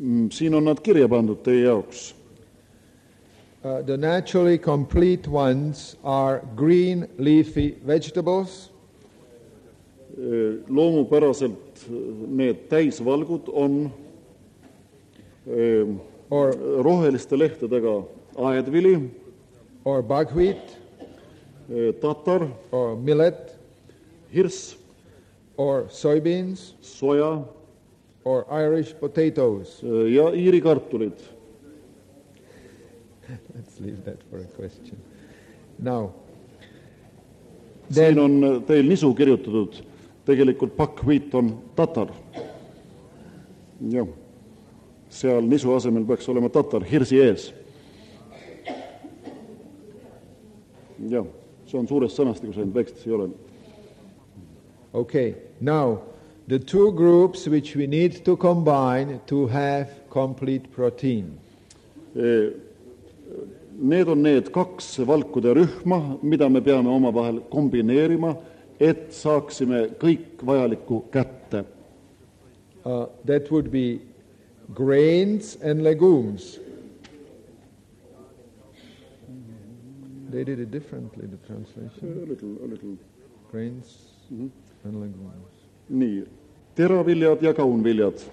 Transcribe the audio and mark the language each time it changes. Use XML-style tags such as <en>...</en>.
<et>Siin on nad kirja pandud teie jaoks.</et> <en>The naturally complete ones are green leafy vegetables.</en> <et>Loomupäraselt need täisvalgud on or roheliste lehtedega aedvili</et> <en>or buckwheat,</en> <et>tatar</et> <en>or millet,</en> <et>hirs</et> <en>or soybeans,</en> <et>soja</et> <en>or Irish potatoes.</en> <et>Ja iiri kartulid.</et> <en>Let's leave that for a question. Now.</en> <et>Siin on teil nisu kirjutatud. Tegelikult buckwheat on tatar. Ja. Seal nisu asemel peaks olema tatar hirsi ees. Ja, see on suures sõnastikus, kui see väikestes ei ole.</et> <en>Okay, now, the two groups which we need to combine to have complete protein.</en> <et>Need on need kaks valkude rühma, mida me peame oma vahel kombineerima, et saaksime kõik vajaliku kätte.</et> <en>That would be grains and legumes. They did it differently, the translation. A little. Grains. And legumes.</en> <et>Nii. Teraviljad ja kaunviljad.</et>